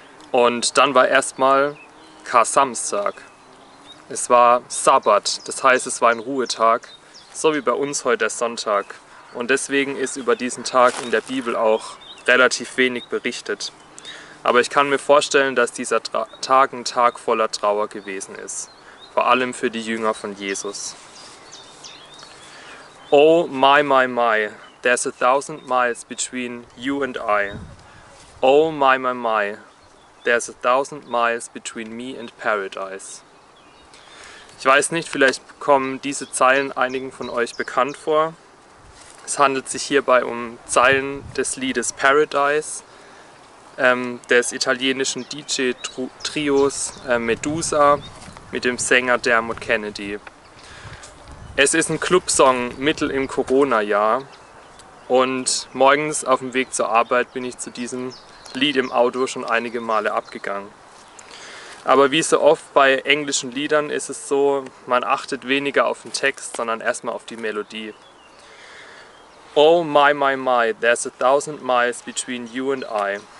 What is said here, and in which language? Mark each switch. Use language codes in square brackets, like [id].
[de] Und dann war erstmal Kar-Samstag. Es war Sabbat, das heißt, es war ein Ruhetag, so wie bei uns heute der Sonntag. Und deswegen ist über diesen Tag in der Bibel auch relativ wenig berichtet. Aber ich kann mir vorstellen, dass dieser Tag ein Tag voller Trauer gewesen ist. Vor allem für die Jünger von Jesus. [en] Oh my, my, my, there's a thousand miles between you and I. Oh my, my, my, there's a thousand miles between me and paradise. [de] Ich weiß nicht, vielleicht kommen diese Zeilen einigen von euch bekannt vor. Es handelt sich hierbei um Zeilen des Liedes Paradise, des italienischen DJ-Trios Medusa mit dem Sänger Dermot Kennedy. Es ist ein Clubsong mittel im Corona-Jahr und morgens auf dem Weg zur Arbeit bin ich zu diesem Lied im Auto schon einige Male abgegangen. Aber wie so oft bei englischen Liedern ist es so, man achtet weniger auf den Text, sondern erstmal auf die Melodie. [en] Oh my, my, my, there's a thousand miles between you and I.